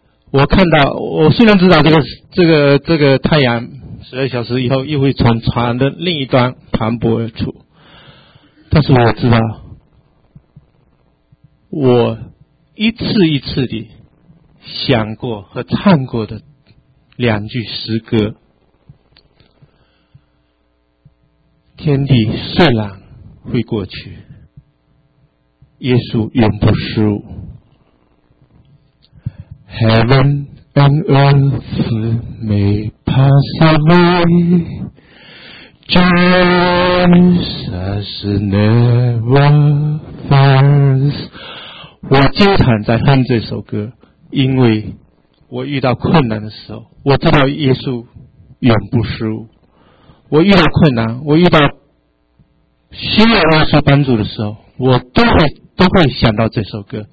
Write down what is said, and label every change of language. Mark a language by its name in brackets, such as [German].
[Chinese] 我看到，我虽然知道这个太阳12小时以后又会从船的另一端盘泊而出，但是我知道我一次一次地想过和唱过的两句诗歌：天地虽然会过去，耶稣永不失误。 [English] Heaven and earth may pass away, Jesus never fails. [Chinese] 我经常在哼这首歌，因为我遇到困难的时候，我知道耶稣永不失误。我遇到困难，我遇到需要耶稣帮助的时候，我都会想到这首歌。